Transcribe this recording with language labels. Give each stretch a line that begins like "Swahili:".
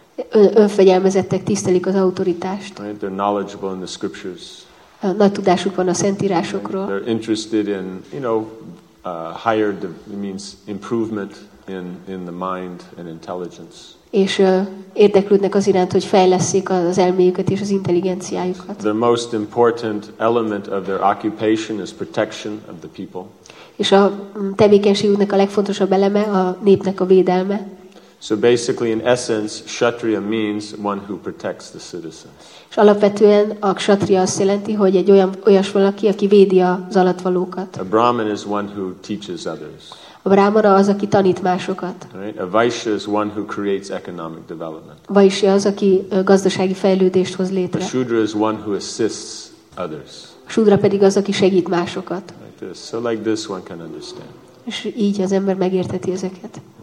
Hungarian: Önfegyelmezettek, tisztelik az autoritást.
English: Right? They're knowledgeable in the scriptures.
Hungarian: Nagy tudásuk van a szentírásokról.
English: They're interested in, you know, higher means improvement in the mind and intelligence.
Hungarian: És érdeklődnek az iránt, hogy fejlesszék az elméjüket és az intelligenciájukat.
English: The most important element of their occupation is protection of the people.
Hungarian: És a tevékenységüknek a legfontosabb eleme a népnek a védelme.
English: So basically in essence kshatriya means one who protects the citizens.
Hungarian: És alapvetően a kshatriya azt jelenti, hogy egy olyas valaki, aki védi az alattvalókat.
English: A brahman is one who teaches others.
Hungarian: A brahmana az, aki tanít másokat.
English: Right? A vaishya is one who creates economic development.
Hungarian: Vaishya az, aki gazdasági fejlődést hoz létre.
English: A shudra is one who assists others.
Hungarian: A shudra pedig az, aki segít másokat.
English: Like this. So like this one can understand.
Hungarian: És így az ember megérteti ezeket.